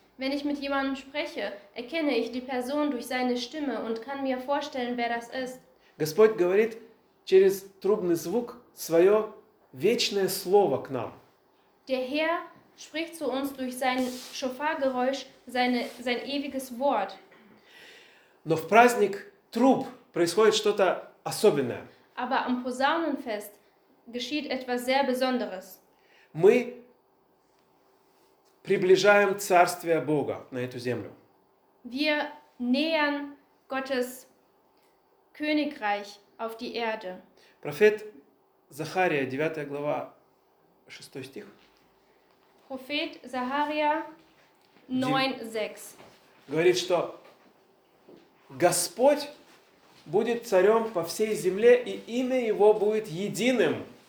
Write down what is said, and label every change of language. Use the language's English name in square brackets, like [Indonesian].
[German] Wenn ich mit jemandem spreche, erkenne ich die Person durch seine Stimme und kann mir vorstellen, wer das ist. [Russian] Господь говорит через трубный звук свое вечное слово к нам. [German] Der Herr spricht zu uns durch sein Schofargeräusch sein ewiges Wort. [Russian] Но в праздник труб происходит что-то особенное. [German] Aber am Posaunenfest geschieht etwas sehr Besonderes. [Russian] Мы приближаем Царствие Бога на эту землю. [German] Wir nähern Gottes Königreich auf die Erde. [Russian] Prophet Zacharia, 9 глава, 6 стих. [German] Prophet Zacharia 9, 6. [Russian] Говорит, что Господь будет царем по всей земле, и имя его будет единым.